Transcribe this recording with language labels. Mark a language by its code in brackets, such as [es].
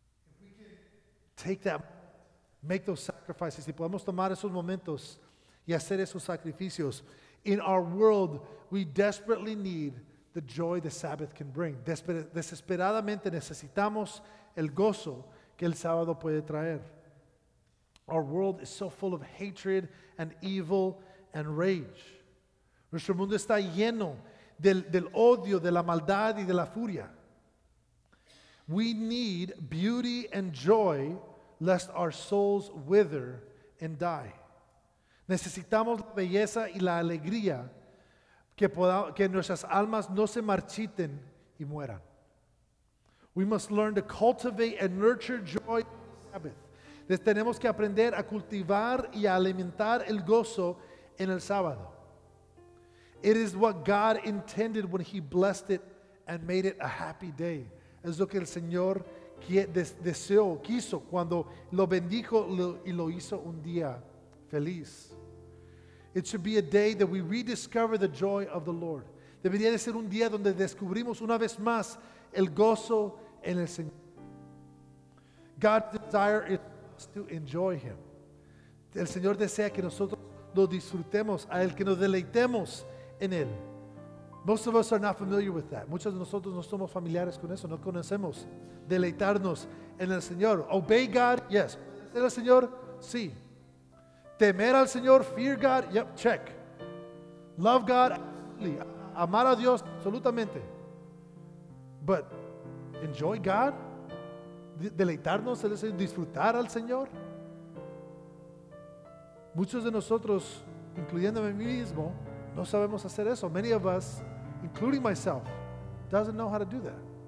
[en] If we can take that, make those sacrifices, [es] si podemos tomar esos momentos y hacer esos sacrificios, [en] in our world, we desperately need the joy the Sabbath can bring. [es] Desesperadamente necesitamos el gozo que el sábado puede traer. [en] Our world is so full of hatred and evil and rage. [es] Nuestro mundo está lleno del odio, de la maldad y de la furia. [en] We need beauty and joy lest our souls wither and die. [es] Necesitamos la belleza y la alegría que nuestras almas no se marchiten y mueran. [en] We must learn to cultivate and nurture joy on the Sabbath. [es] Tenemos que aprender a cultivar y a alimentar el gozo en el sábado. [en] It is what God intended when He blessed it and made it a happy day. [es] Es lo que el Señor deseó, quiso, cuando lo bendijo y lo hizo un día feliz. [en] It should be a day that we rediscover the joy of the Lord. [es] Debería de ser un día donde descubrimos una vez más el gozo en el Señor. [en] God's desire is to enjoy Him. [es] El Señor desea que nosotros lo disfrutemos, a Él, que nos deleitemos en Él. [en] Most of us are not familiar with that. [es] Muchos de nosotros no somos familiares con eso, no conocemos deleitarnos en el Señor. [en] Obey God, yes. [es] Obedecer al Señor, sí. Temer al Señor, [en] fear God, yep, check. Love God, absolutely. [es] Amar a Dios, absolutamente. [en] But enjoy God, [es] deleitarnos en el Señor, disfrutar al Señor. Muchos de nosotros, incluyéndome a mí mismo, no sabemos hacer eso. [en] Many of us, including myself, doesn't know how to do that.